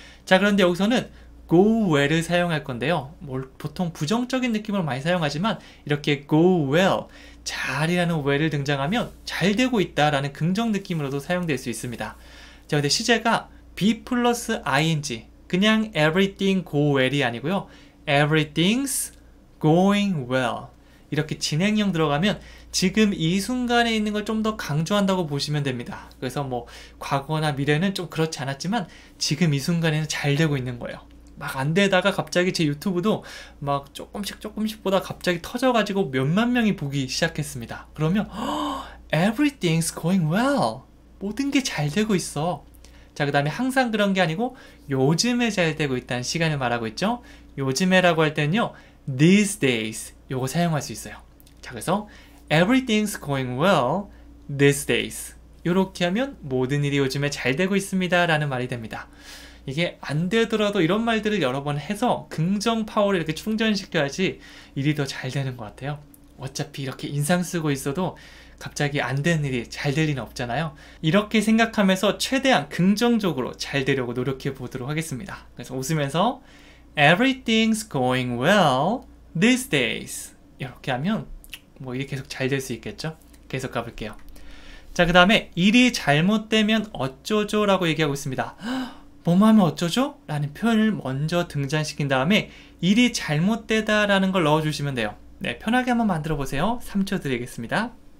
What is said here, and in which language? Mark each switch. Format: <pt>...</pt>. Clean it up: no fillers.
<ko>자, 그런데 여기서는</ko> <en>go well</en> <ko>을 사용할 건데요. 뭘 보통 부정적인 느낌으로 많이 사용하지만 이렇게 go well, 잘이라는 well을 등장하면 잘 되고 있다라는 긍정 느낌으로도 사용될 수 있습니다. 자, 근데 시제가 be plus ing. 그냥</ko> <en>everything go well</en> <ko>이 아니고요.</ko> <en>Everything's going well.</en> <ko>이렇게 진행형 들어가면 지금 이 순간에 있는 걸좀더 강조한다고 보시면 됩니다. 그래서 뭐 과거나 미래는 좀 그렇지 않았지만 지금 이 순간에는 잘 되고 있는 거예요. 막안 되다가 갑자기 제 유튜브도 막 조금씩 조금씩 보다 갑자기 터져가지고 몇만 명이 보기 시작했습니다. 그러면</ko> <en>Everything's going well.</en> <ko>모든 게잘 되고 있어. 자, 그 다음에 항상 그런 게 아니고 요즘에 잘 되고 있다는 시간을 말하고 있죠. 요즘에라고 할 때는요.</ko> <en>These days</en> <ko>요거 사용할 수 있어요. 자, 그래서</ko> <en>Everything's going well these days.</en> <ko>요렇게 하면 모든 일이 요즘에 잘 되고 있습니다 라는 말이 됩니다. 이게 안 되더라도 이런 말들을 여러 번 해서 긍정 파워를 이렇게 충전시켜야지 일이 더잘 되는 것 같아요. 어차피 이렇게 인상 쓰고 있어도 갑자기 안 되는 일이 잘될 리는 없잖아요. 이렇게 생각하면서 최대한 긍정적으로 잘 되려고 노력해 보도록 하겠습니다. 그래서 웃으면서</ko> <en>Everything's going well these days.</en> <ko>이렇게 하면 뭐 이게 계속 잘될수 있겠죠? 계속 가볼게요. 자, 그 다음에 일이 잘못되면 어쩌죠? 라고 얘기하고 있습니다. 뭐뭐 하면 어쩌죠? 라는 표현을 먼저 등장시킨 다음에 일이 잘못되다라는 걸 넣어주시면 돼요. 네, 편하게 한번 만들어 보세요. 3초 드리겠습니다.</ko>